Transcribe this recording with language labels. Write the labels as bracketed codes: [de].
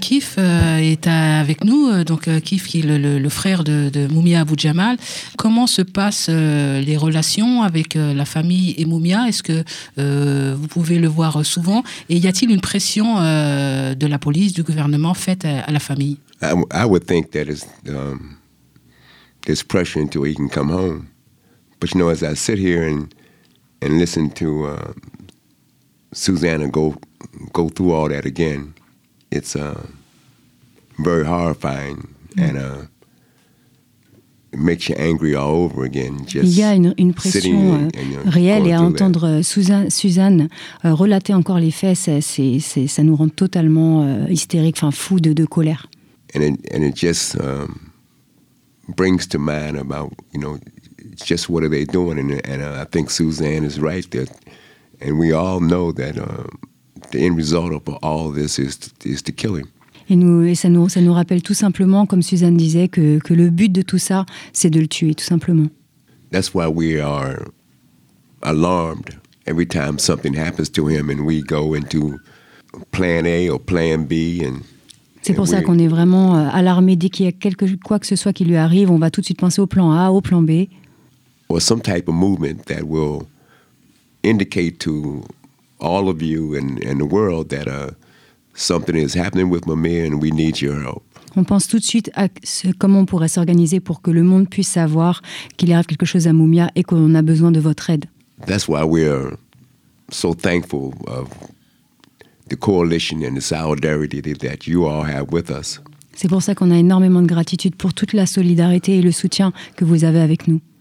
[fr] Kif est avec nous, donc Kif qui est le frère de Moumia Abou Djamal. Comment se passent les relations avec la famille et Moumia? Est-ce que vous pouvez le voir souvent? Et y a-t-il une pression de la police, du gouvernement faite à la famille? [en] I would think that is there's pressure until he can come home. But you know, as I sit here and listen to Susanna go through all that again, it's very horrifying. And it makes you angry all over again. Just [fr] il y a une pression réelle, et à entendre Suzanne relater encore les faits, c'est ça nous rend totalement hystérique, enfin fou de colère. [en] And it just brings to mind about, you know, just what are they doing. And I think Suzanne is right that, and we all know that the end result of all this is to kill him. [fr] Et ça nous rappelle tout simplement, comme Suzanne disait, que le but de tout ça, c'est de le tuer, tout simplement. [en] That's why we are alarmed every time something happens to him, and we go into plan A or plan B. [fr] C'est pour ça qu'on est vraiment alarmé dès qu'il y a quoi que ce soit qui lui arrive. On va tout de suite penser au plan A, au plan B. [en] Or some type of movement that will indicate to all of you and the world that something is happening with Mamia and we need your help. [fr] On pense tout de suite à comment on pourrait s'organiser pour que le monde puisse savoir qu'il arrive quelque chose à Mamia et qu'on a besoin de votre aide. [en] That's why we are so thankful of the coalition and the solidarity that you all have with us. [fr] C'est pour ça qu'on a énormément de gratitude pour toute la solidarité et le soutien que vous avez avec nous.